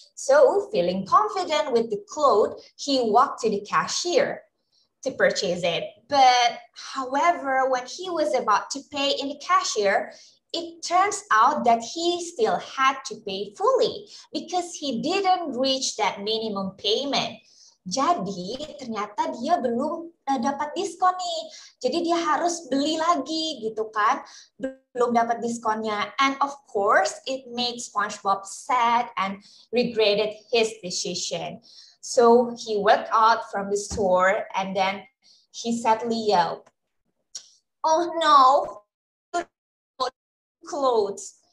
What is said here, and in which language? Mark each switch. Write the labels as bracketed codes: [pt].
[en] So feeling confident with the clothes, he walked to the cashier to purchase it. But however, when he was about to pay in the cashier, it turns out that he still had to pay fully because he didn't reach that minimum payment. [id] Jadi ternyata dia belum dapat diskon nih. Jadi dia harus beli lagi gitu kan. Belum dapat diskonnya. [en] And of course, it made SpongeBob sad and regretted his decision. So he walked out from the store, and then he sadly yelled, "Oh no, clothes."